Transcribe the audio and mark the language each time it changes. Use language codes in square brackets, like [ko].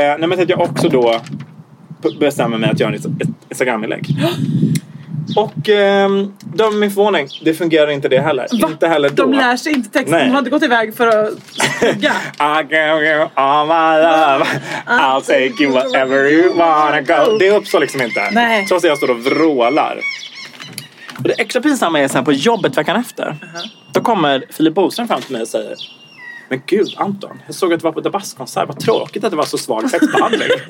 [sv] Nej, men jag också då bestämmer mig att göra ett Instagram-inlägg. Och döm min förvåning, det fungerar inte det heller. Va? Inte heller då. De lär sig inte texten. Nej. De har inte gått iväg för att sjunga. [en] I give you all my love. I'll take you wherever you wanna go. [sv] Det uppstår liksom inte. Nej. Trots att jag står och vrålar. Och det extra pinsamma är sen på jobbet veckan efter. Uh-huh. Då kommer Filip Boström fram till mig och säger: men gud Anton, jag såg att du var på Dabas-konsert. Vad tråkigt att det var så svag textbehandling.